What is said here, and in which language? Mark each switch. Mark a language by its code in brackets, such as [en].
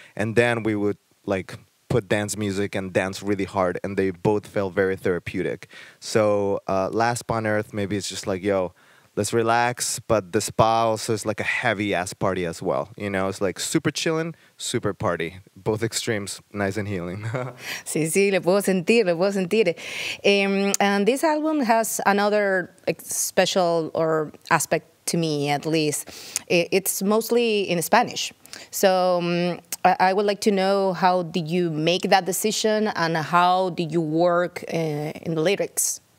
[en] And then we would, like, put dance music and dance really hard. And they both felt very therapeutic. So Last Spot on Earth, maybe it's just like, yo, let's relax, but the spa also is like a heavy-ass party as well. You know, it's like super chilling, super party. Both extremes, nice and healing. [es] Sí, sí, le puedo sentir, le puedo sentir. [en] And this album has another, like, special or aspect to me, at least. It's mostly in Spanish. So I would like to know, how did you make that decision and how did you work in the lyrics?